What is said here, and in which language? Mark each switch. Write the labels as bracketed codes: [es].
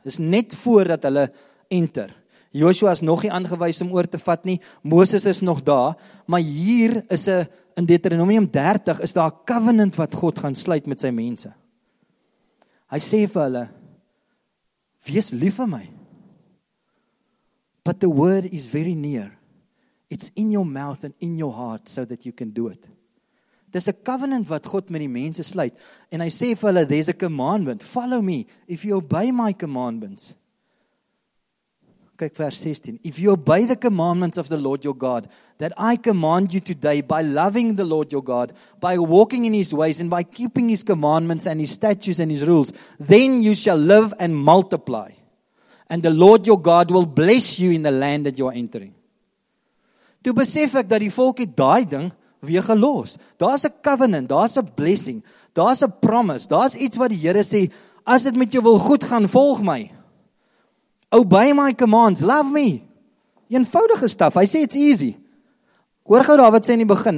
[af] Is net voor dat hulle enter. Joshua is nog nie aangewys om oor te vat nie. Moses is nog daar. Maar hier is in Deuteronomium 30 is daar 'n covenant wat God gaan sluit met sy mense. Hy sê vir hulle, wees lief vir my. [en] But the word is very near. It's in your mouth and in your heart so that you can do it. There's a covenant [af] wat God met die mense sluit. En hy sê vir hulle, [en] there's a commandment. Follow me if you obey my commandments. [af] Kyk vers 16. [en] If you obey the commandments of the Lord your God, that I command you today by loving the Lord your God, by walking in his ways and by keeping his commandments and his statutes and his rules, then you shall live and multiply. And the Lord your God will bless you in the land that you are entering. [af] Toe besef ek dat die volk het daai ding weer gelos. Daar's 'n covenant, daar's 'n blessing, daar's 'n promise, daar's iets wat die Here sê, as dit met jou wil goed gaan, volg my. [en] Obey my commands, love me. [af] eenvoudige stuff. Hy sê [en] it's easy. [af] Hoor gou daar wat sê in die begin.